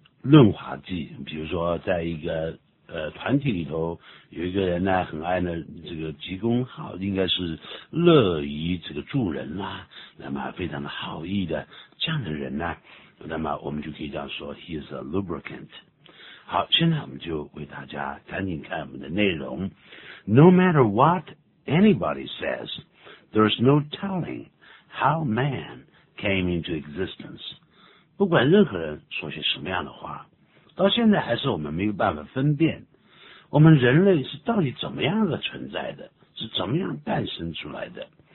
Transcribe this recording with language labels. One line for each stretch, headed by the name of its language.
Chinese: 润滑剂，比如说在一个团体里头，有一个人呢很爱呢这个鞠躬，好，应该是乐于这个助人啦、啊，那么非常的好意的这样的人呢，那么我们就可以这样说 ，
English: he is a lubricant。
Chinese: 好，现在我们就为大家赶紧看我们的内容。
English: No matter what anybody says, there's no telling how man came into existence.
Chinese: 不管任何人说些什么样的话，到现在还是我们没有办法分辨，我们人类是到底怎么样的存在的，是怎么样诞生出来的。